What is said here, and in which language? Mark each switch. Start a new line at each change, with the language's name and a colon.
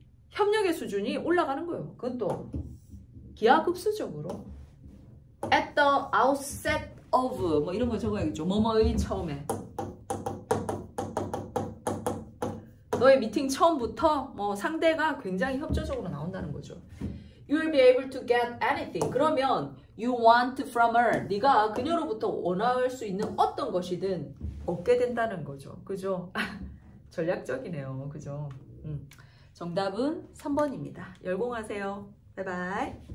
Korean: 협력의 수준이 올라가는 거예요. 그건 또 기하급수적으로.
English: At the outset of
Korean: 뭐 이런 거 적어야겠죠. 뭐뭐의 처음에. 너의 미팅 처음부터 뭐 상대가 굉장히 협조적으로 나온다는 거죠.
English: You will be able to get anything.
Korean: 그러면
English: you want from her.
Korean: 네가 그녀로부터 원할 수 있는 어떤 것이든 얻게 된다는 거죠. 그죠? 전략적이네요. 그죠? 정답은 3번입니다. 열공하세요. 바이바이.